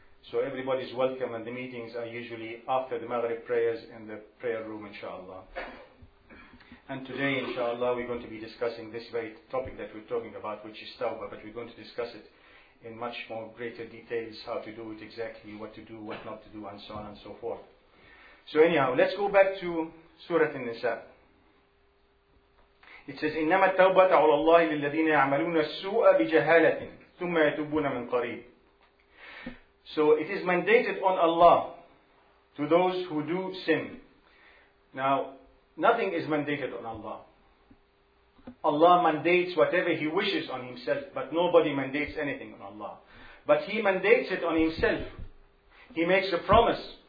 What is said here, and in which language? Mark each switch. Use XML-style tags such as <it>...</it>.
<en>So everybody is welcome, and the meetings are usually after the Maghrib prayers in the prayer room, inshallah. And today, inshallah, we're going to be discussing this very topic that we're talking about, which is tawbah, but we're going to discuss it in much more greater details, how to do it exactly, what to do, what not to do, and so on and so forth. So anyhow, let's go back to Surah An-Nisa. It says,</en> <ar>إِنَّمَا التَّوْبَةَ عَلَى اللَّهِ لِلَّذِينَ يَعْمَلُونَ السُّوءَ بِجَهَالَةٍ ثُمَّ يَتُوبُونَ مِنْ قَرِيبٍ.</ar> <en>So it is mandated on Allah to those who do sin. Now, nothing is mandated on Allah. Allah mandates whatever He wishes on Himself, but nobody mandates anything on Allah. But He mandates it on Himself. He makes a promise.</en>